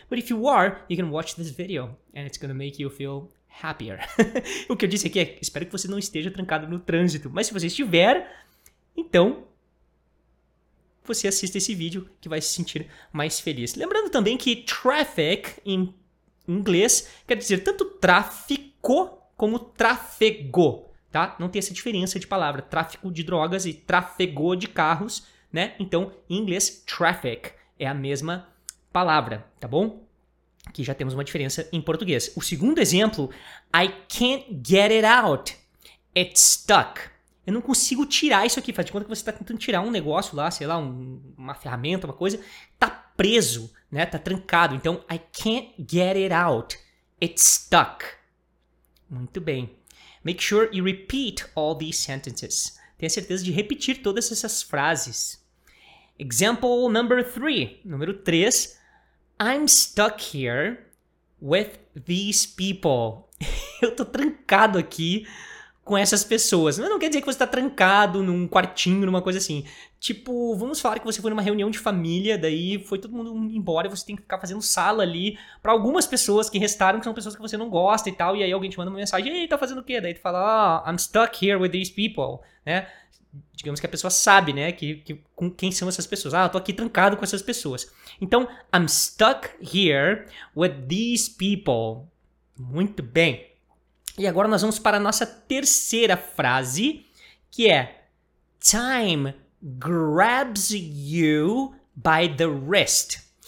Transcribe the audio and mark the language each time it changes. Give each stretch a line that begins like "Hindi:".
English: But if you are, you can watch this video and it's going to make you feel happier.
Portuguese: O que eu disse aqui é, espero que você não esteja trancado no trânsito. Mas se você estiver, então você assista esse vídeo que vai se sentir mais feliz. Lembrando também que traffic em inglês quer dizer tanto tráfico como tráfego, tá? Não tem essa diferença de palavra, tráfico de drogas e tráfego de carros, né? Então, em inglês, traffic é a mesma palavra, tá bom? Aqui já temos uma diferença em português. O segundo exemplo,
English: I can't get it out, it's stuck.
Portuguese: Eu não consigo tirar isso aqui. Faz de conta que você está tentando tirar um negócio lá, sei lá, uma ferramenta, uma coisa. Está preso, né? Está trancado. Então,
English: I can't get it out. It's stuck.
Portuguese: Muito bem.
English: Make sure you repeat all these sentences.
Portuguese: Tenha certeza de repetir todas essas frases.
English: Example number 3.
Portuguese: Número 3.
English: I'm stuck here with these people.
Portuguese: Eu estou trancado aqui com essas pessoas. Não quer dizer que você está trancado num quartinho, numa coisa assim. Tipo, vamos falar que você foi numa reunião de família, daí foi todo mundo embora e você tem que ficar fazendo sala ali para algumas pessoas que restaram, que são pessoas que você não gosta e tal, e aí alguém te manda uma mensagem, ei, tá fazendo o quê? Daí tu fala, oh,
English: I'm stuck here with these people, né?
Portuguese: Digamos que a pessoa sabe, né, que com quem são essas pessoas. Ah, eu tô aqui trancado com essas pessoas. Então,
English: I'm stuck here with these people.
Portuguese: Muito bem. E agora nós vamos para a nossa terceira frase, que é
English: time grabs you by the wrist.